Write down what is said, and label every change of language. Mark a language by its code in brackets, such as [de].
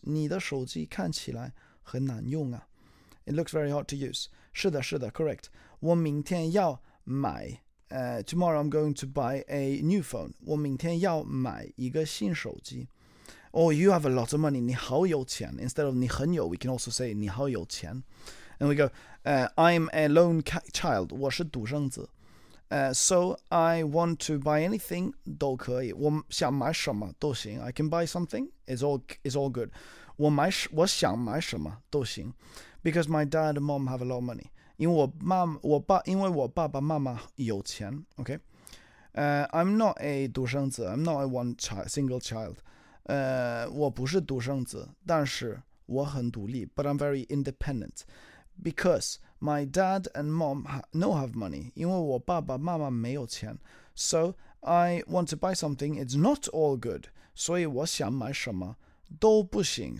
[zh] 你的手机看起来很难用啊。 [en] It looks very hard to use. [zh] 是的是的 [en] correct. [zh] 我明天要买。 [en] Tomorrow I'm going to buy a new phone. [zh] 我明天要买一个新手机。 [en] Oh, you have a lot of money. [zh] 你好有钱. [en] Instead of [zh] 你很有, [en] we can also say [zh] 你好有钱. [en] And we go, I'm a lone child. [zh] 我是独生子. [en] So I want to buy anything [zh] 都可以. 我想买什么都行. [en] I can buy something. It's all good. [zh] 我想买什么都行. [en] Because my dad and mom have a lot of money. [zh] 因为我爸爸妈妈有钱. [en] Okay. I'm not a 独生子.I'm not a one single child. [zh] 我不是独生子，但是我很独立。 [en] But I'm very independent, because my dad and mom don't have money. [zh] 因为我爸爸妈妈没有钱。 [en] So I want to buy something. It's not all good. [zh] 所以我想买什么都不行。